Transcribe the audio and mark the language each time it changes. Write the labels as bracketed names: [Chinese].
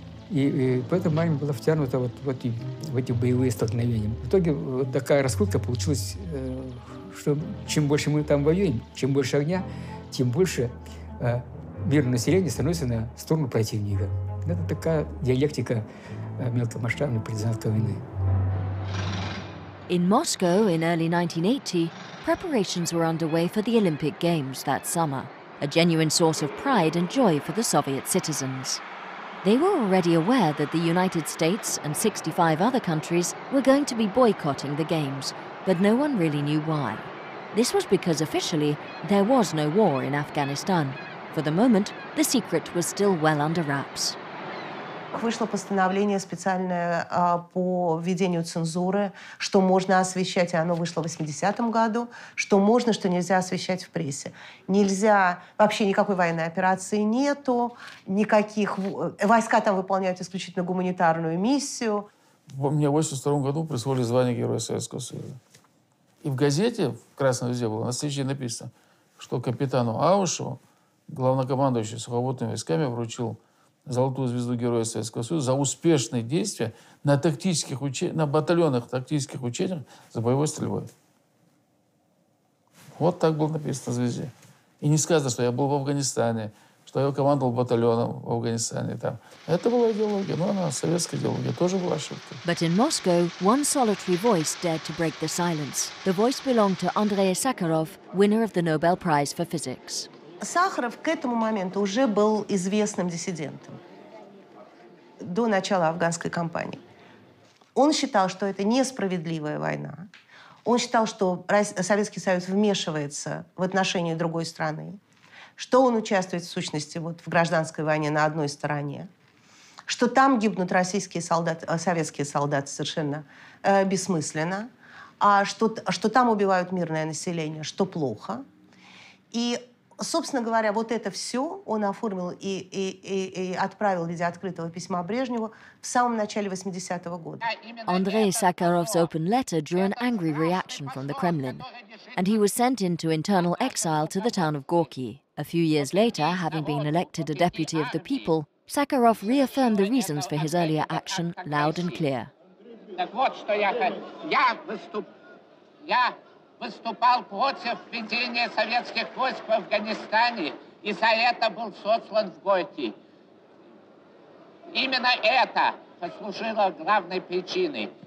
[Russian] И поэтому армия была втянута в эти боевые столкновения. В итоге вот такая раскрутка получилась, что чем больше мы там воюем, чем больше огня, тем больше мирное население становится на сторону противника. Это такая диалектика мелкомасштабной партизанской войны. [English] In Moscow in early 1980, preparations were underway for the Olympic Games that summer, a genuine source of pride and joy for the Soviet citizens. They were already aware that the United States and 65 other countries were going to be boycotting the Games, but no one really knew why. This was because officially, there was no war in Afghanistan. For the moment, the secret was still well under wraps. [Russian] Вышло постановление специальное по введению цензуры, что можно освещать, и оно вышло в 80-м году, что можно, что нельзя освещать в прессе. Нельзя, вообще никакой военной операции нету, никаких, войска там выполняют исключительно гуманитарную миссию. Мне в 82-м году присвоили звание Героя Советского Союза. И в газете, в «Красной звезде» было, на следующий день написано, что капитану Аушеву, главнокомандующий сухопутными войсками, вручил Золотую звезду Героя Советского Союза за успешные действия на тактических на батальонных тактических учениях за боевой стрельбой. Вот так было написано в звезде. И не сказано, что я был в Афганистане, что я командовал батальоном в Афганистане там. Это была идеология, но она советская идеология тоже была ошибка. [English] But in Moscow, one solitary voice dared to break the silence. The voice belonged to Andrei Sakharov, winner of the Nobel Prize for Physics. [Russian] Сахаров к этому моменту уже был известным диссидентом до начала афганской кампании. Он считал, что это несправедливая война. Он считал, что Советский Союз вмешивается в отношения другой страны, что он участвует в сущности вот, в гражданской войне на одной стороне, что там гибнут российские солдаты, советские солдаты совершенно бессмысленно, а что там убивают мирное население, что плохо. И собственно говоря, вот это все он оформил и отправил в виде открытого письма Брежневу в самом начале 80-го года. [English] Андрей Сакаров's open letter drew an angry reaction from the Kremlin, and he was sent into internal exile to the town of Gorky. A few years later, having been elected a deputy of the people, Сакаров reaffirmed the reasons for his earlier action loud and clear. [Russian] Так вот, что я выступал против введения советских войск в Афганистане и за это был сослан в Горки. Именно это послужило главной причиной.